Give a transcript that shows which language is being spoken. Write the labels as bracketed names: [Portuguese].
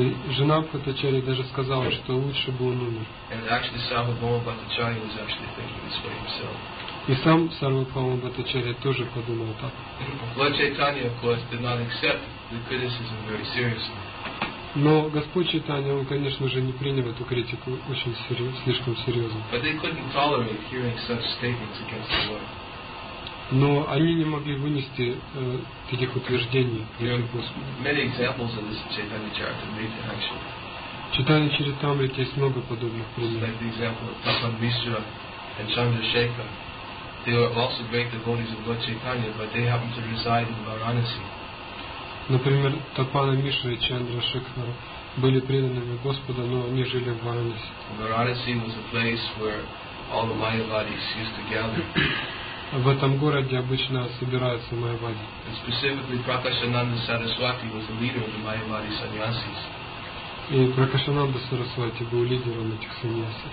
[Russian] Жена Бхаттачарьи даже сказала, что лучше бы он умер. [English] And actually, Sarvabhauma Bhattacharya was actually thinking this way himself. [Russian] И сам Сарвабхауму Бхаттачарья тоже подумал так. [English] Lord Chaitanya, of course, did not accept the criticism very seriously. [Russian] Но Господь Чайтанья, он, конечно же, не принял эту критику очень серьезно, слишком серьезно. [English] But they couldn't tolerate hearing such statements against the Lord. [Russian] Но они не могли вынести таких утверждений. Чайтанья Чаритамрита есть много подобных примеров. [English] Like the example of Тапан Мишра and Чандра Шекхара. They are also great devotees of Lord Chaitanya, but they happen to reside in Varanasi. [Russian] Например, Тапана Мишра и Чандра Шекхара были преданными Господу, но они жили в Варанаси. [English] Varanasi was a place where all the Mayavadis used to gather. [Russian] В этом городе обычно собираются майявади. [English] Specifically, Prakashananda Saraswati was the leader of the Mayavadi sannyasis. [Russian] И Пракашананда Сарасвати был лидером этих саньяси.